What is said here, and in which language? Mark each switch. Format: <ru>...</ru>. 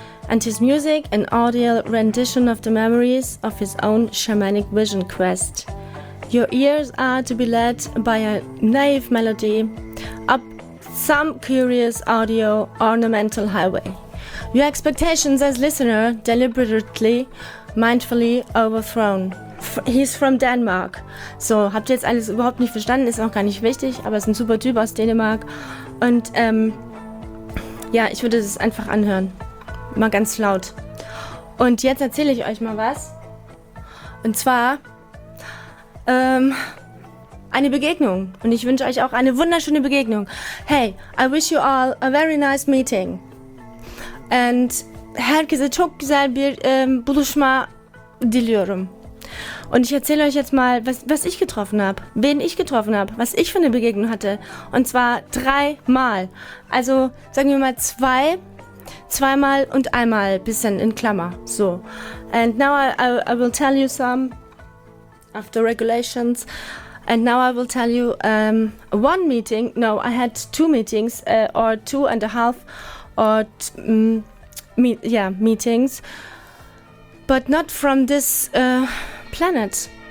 <en>And his music, an audio rendition of the memories of his own shamanic vision quest. Your ears are to be led by a naive melody up some curious audio ornamental highway. Your expectations as listener deliberately, mindfully overthrown. He's from Denmark.</en> <de>So, habt ihr jetzt alles überhaupt nicht verstanden? Ist auch gar nicht wichtig, aber ist ein super Typ aus Dänemark. Und ja, ich würde das einfach anhören. Mal ganz laut. Und jetzt erzähle ich euch mal was. Und zwar eine Begegnung. Und ich wünsche euch auch eine wunderschöne Begegnung.</de> <en>Hey, I wish you all a very nice meeting.</en> <tr>And herkese çok güzel bir buluşma diliyorum.</tr> <de>Und ich erzähle euch jetzt mal, was ich getroffen habe. Wen ich getroffen habe. Was ich für eine Begegnung hatte. Und zwar dreimal. Also sagen wir mal zweimal und einmal, bisschen in Klammer, so.</de> <en>And now I will tell you some of the regulations. And now I will tell you one meeting. No, I had two meetings or two and a half or meetings. But not from this planet.</en>